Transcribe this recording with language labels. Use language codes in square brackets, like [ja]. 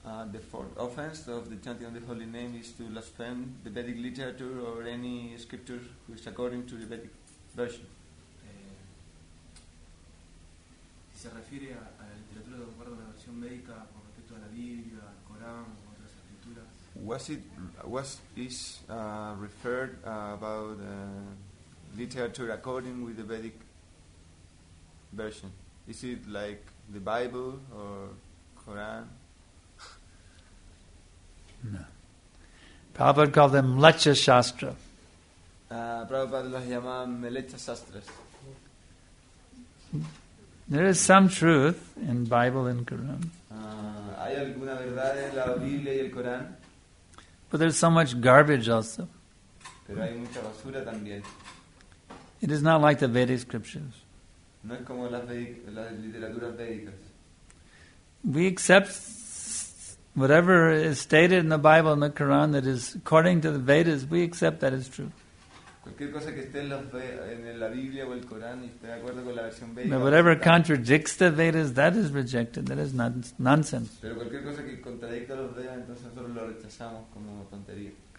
[en] The fourth offense of the chanting of the holy name is to blaspheme the Vedic literature or any scripture which is according to the Vedic version. [es] Si se refiere a la literatura de acuerdo a la versión médica con respecto a la Biblia, al Corán o otras escrituras. [en] Referred about literature according with the Vedic version? Is it like the Bible or Quran? No. Prabhupada called them Mlecha Shastra. [es] Prabhupada las llamaba Mlecha Shastras. [en] There is some truth in Bible and Quran. [es] Hay alguna verdad en la Biblia y el Corán. [en] But there's so much garbage also. [es] Pero hay mucha basura también. [en] It is not like the Vedic scriptures. [es] No es como las literaturas védicas. [en] We accept whatever is stated in the Bible and the Quran that is according to the Vedas, we accept that is true. [es] Cualquier cosa que esté en la Biblia o el Corán y esté de acuerdo con la versión védica. [en] But whatever contradicts the Vedas, that is rejected. That is nonsense. [es] Pero cualquier cosa que contradicta los Vedas, entonces nosotros lo rechazamos como una tontería.